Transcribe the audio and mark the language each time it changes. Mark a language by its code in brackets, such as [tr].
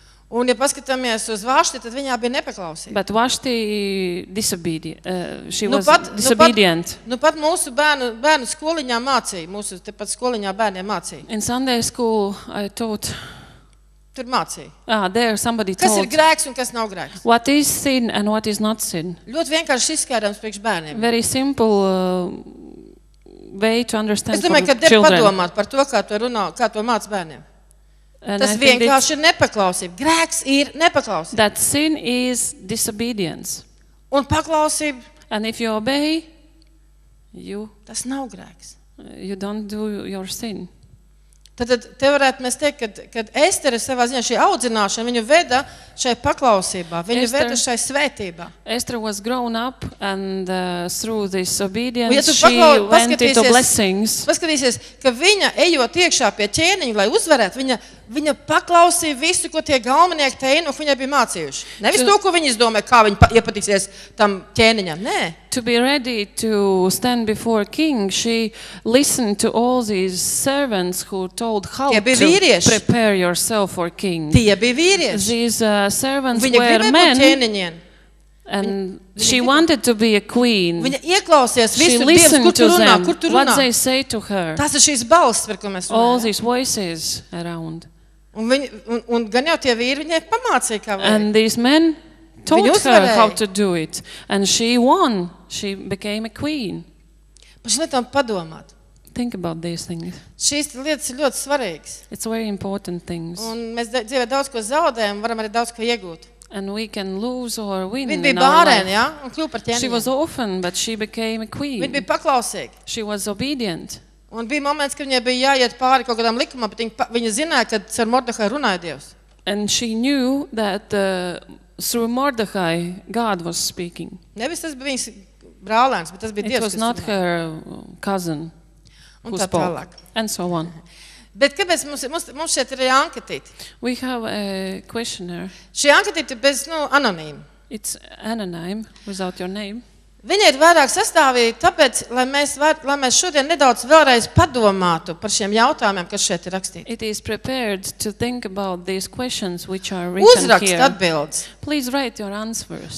[lv] Un ja paskatāmies uz Vašti, tad viņā bija nepaklausība. [en] But Vašti disobedient. [lv] Nu pat mūsu bērnu skoliņā mācīja, mūsu tepat skoliņā bērniem mācīja. [en] In Sunday school I taught. [lv] Tur mācīja. [en] There somebody taught. [lv] Kas ir grēks un kas nav grēks? [en] What is sin and what is not sin? [lv] Ļoti vienkārši izskaidrams priekš bērniem. [en] Very simple way to understand. [lv] Es domāju, ka te padomāt par to, kā to runā, kā to māc bērniem. And tas vienkārši ir nepaklausība. Grēks ir nepaklausība. [en] That sin is disobedience. [lv] Un paklausība. [en] And if you obey, you... [lv] Tas nav grēks. [en] You don't do your sin. [lv] Tad te varētu mēs teikt, kad Estere savā ziņā šī audzināšana, viņu veda šai paklausībā, viņu Esther, veda šai svētībā. [en] Estere was grown up and through this obedience ja she went into blessings. [lv] Paskatīsies, ka viņa ejot iekšā pie ķēniņa, lai uzvarētu, viņa paklausīja visu, ko tie galvenieki te inu, viņai bija mācījuši. Nevis to, ko viņas domāja, kā viņa iepatīksies tam ķēniņam, nē. [en] To be ready to stand before king, she listened to all these servants who told how to prepare yourself for king. [lv] Tie bija vīrieši. [en] These servants were men. And she wanted to be a queen. [lv] Viņa ieklausījās visu, kur tu runā. [en] What they say to her. [lv] Tas ir šīs balsts, par ko mēs runājam. [en] All these voices around. [lv] Un gan jau tie vīri viņai pamācīja, kā vajag. [en] And these men taught her how to do it. And she won. She became a queen. [lv] Pa šitām padomāt. [en] Think about these things. [lv] Šīs lietas ir ļoti svarīgas. [en] It's very important things. [lv] Un mēs dzīvē daudz ko zaudējam, varam arī daudz ko iegūt. [en] And we can lose or win. [lv] Viņa bija bārēna, ja? Un kļūt par ķēniņu. [en] She was orphan, but she became a queen. [lv] Viņa bija paklausīga. [en] She was obedient. [lv] Un bija moments, kad viņai bija jāiet pāri kaut kādām likumam, bet viņa zināja, ka ar Mordehai runāja Dievs. [en] And she knew that through Mordehai God was speaking. [lv] Nevis tas bija viņas brālēns, bet tas bija Dievs, kas runāja. [en] It was not her cousin who spoke. And so on. [lv] Bet kāpēc mums šeit ir anketīte? [en] We have a questionnaire. [lv] Šī anketīte ir bez, anonīma. [en] It's anonyme, without your name. [lv] Viņa ir vairāk sastāvīja tāpēc, lai mēs šodien nedaudz vēlreiz padomātu par šiem jautājumiem, kas šeit ir rakstīti. [en] It is prepared to think about these questions, which are written [lv] Uzrakst [en] here. [lv] Uzrakst atbildes. [en] Please write your answers.